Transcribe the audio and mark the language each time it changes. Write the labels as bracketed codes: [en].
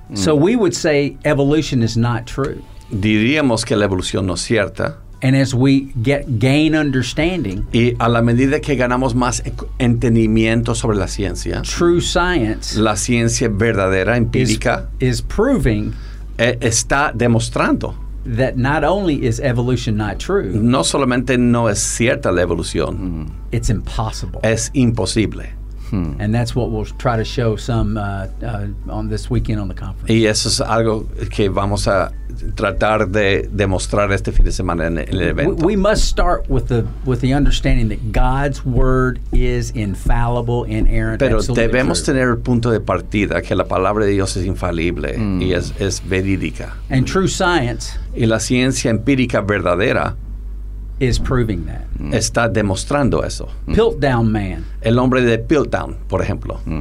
[en] So we would say evolution is not true. [es] Diríamos que la evolución no es cierta. [en] And as we gain understanding, [es] y a la medida que ganamos más entendimiento sobre la ciencia, [en] true science, [es] la ciencia verdadera empírica, [en] is proving, [es] está demostrando, [en] that not only is evolution not true, [es] no solamente no es cierta la evolución, [en] it's impossible, [es] es imposible. [en] And that's what we'll try to show some on this weekend on the conference. [es] Y eso es algo que vamos a tratar de demostrar este fin de semana en el evento. [en] We must start with the understanding that God's word is infallible, inerrant, [es] pero [en] absolutely [es] debemos [en] true. [es] Tener el punto de partida que la palabra de Dios es infalible y es verídica. [en] And true science, [es] y la ciencia empírica verdadera, [en] is proving that. [es] Está demostrando eso. [en] Piltdown man. [es] El hombre de Piltdown, por ejemplo.